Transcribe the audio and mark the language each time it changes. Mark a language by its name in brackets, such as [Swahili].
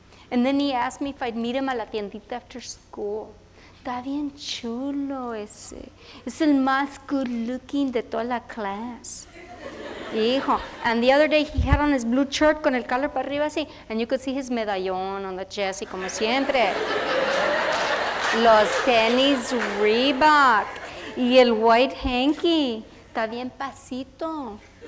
[English] And then he asked me if I'd meet him [Spanish] a la tiendita [English] after school. [Spanish] Está bien chulo ese. Es el más [English] good looking [Spanish] de toda la class. Hijo. [English] And the other day he had on his blue shirt [Spanish] con el collar para arriba así. [English] And you could see his medallón on the chest, [Spanish] como siempre. Los tenis Reebok. Y el [English] white hanky. [Spanish] Está bien pasito.